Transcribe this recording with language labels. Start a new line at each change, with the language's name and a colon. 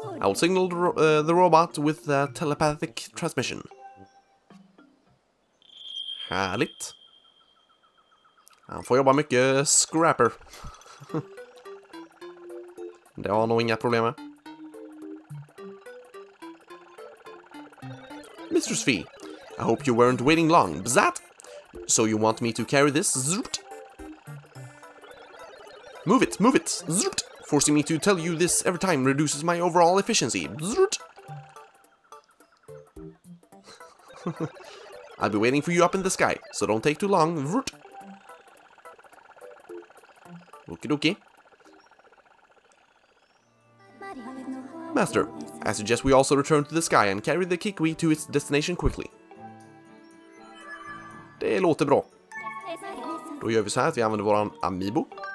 English: I will signal the robot with a telepathic transmission.
Swedish: Härligt. Han får jobba mycket scrapper. Det har nog inga problem med.
English: Mr. Svi, I hope you weren't waiting long. Bzzat! So you want me to carry this? Zoot! Move it, move it! Zoot! Forcing me to tell you this every time reduces my overall efficiency. Zoot! I'll be waiting for you up in the sky, so don't take too long. Zoot! Okie dokie. Master, I suggest we also return to the sky and carry the Kikwi to its destination quickly.
Swedish: Det låter bra. Då gör vi så här att vi använder våran amiibo.